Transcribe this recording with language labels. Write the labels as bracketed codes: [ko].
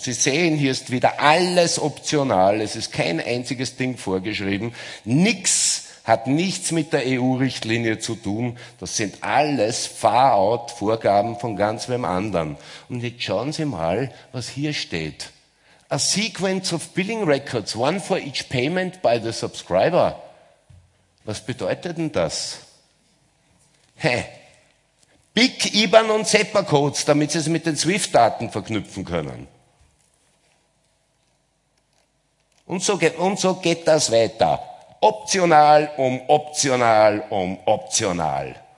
[de] Und Sie sehen, hier ist wieder alles optional, es ist kein einziges Ding vorgeschrieben, nichts hat nichts mit der EU-Richtlinie zu tun. Das sind alles Far-Out-Vorgaben von ganz wem anderen. Und jetzt schauen Sie mal, was hier steht. [en] A sequence of billing records, one for each payment by the subscriber. [de] Was bedeutet denn das? Hä? BIC, IBAN und SEPA-Codes, damit Sie es mit den SWIFT-Daten verknüpfen können. Und so geht das weiter. Optional um optional um optional.